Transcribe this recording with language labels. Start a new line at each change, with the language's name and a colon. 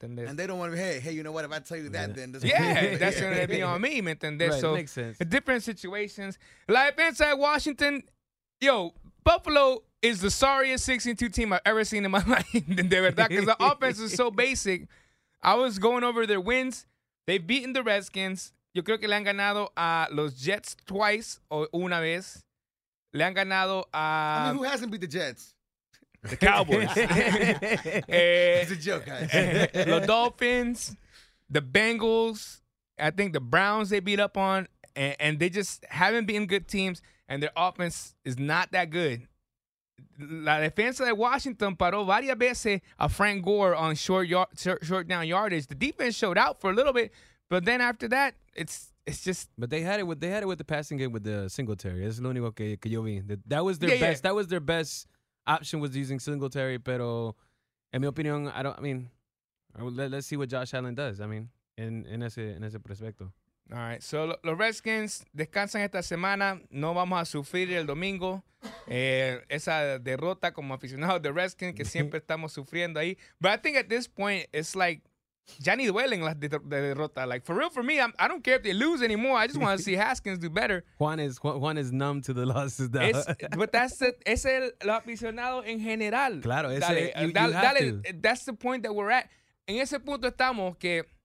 English: And they don't want to, hey, you know what? If I tell you that, then this that's going to be on me, man. Right, so makes sense. Different situations. Life inside Washington, yo, Buffalo is the sorriest 6-2 team I've ever seen in my life.
Spanish: De verdad,
English: because the offense is so basic. I was going over their wins. They've beaten the Redskins.
Spanish: Yo creo que le han ganado a los Jets
English: twice
Spanish: o una vez. Le han ganado a...
English: I mean, who hasn't beat the Jets? The Cowboys. It's a joke, guys. The Dolphins, the Bengals, I think the Browns they beat up on, and they just haven't been good teams, and their offense is not that good.
Spanish: La defensa de Washington paró varias veces a Frank Gore
English: on short down yardage. The defense showed out for a little bit, but then after that, it's just. But they had it with the passing game with the Singletary. That's
Spanish: lo único que yo vi.
English: That was their best. That was their best option, was using Singletary.
Spanish: Pero en mi opinión,
English: let's see what Josh Allen does. I mean,
Spanish: en ese prospecto.
English: All right, so
Spanish: los Redskins descansan esta semana. No vamos a sufrir el domingo. Esa derrota como aficionados de Redskins que siempre estamos sufriendo ahí.
English: But I think at this point, it's like,
Spanish: ya ni duelen las derrotas.
English: Like, for real, for me, I don't care if they lose anymore. I just want to see Haskins do better. Juan is numb to the losses, though. But that's
Spanish: el aficionado en general. Claro, ese, dale,
English: that's the point that we're at.
Spanish: En ese punto estamos que...